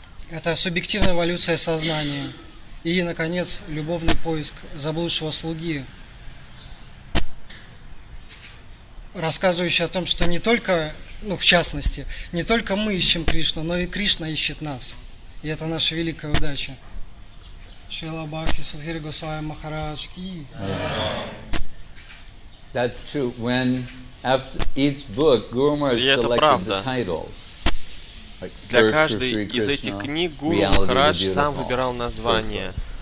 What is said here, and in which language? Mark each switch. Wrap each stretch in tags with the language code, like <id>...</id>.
<ru>Это субъективная эволюция сознания. И, наконец, любовный поиск заблудшего слуги, рассказывающий о том, что не только, ну, в частности, не только мы ищем Кришну, но и Кришна ищет нас. И это наша великая удача. Шрила Бхакти Судхири Госвами Махарадж Ки.</ru> <en>That's true. When after each book, Guru Maharaj selected the titles.</en> <ru>Для каждой из этих книг Гуру Махарадж сам выбирал название.</ru>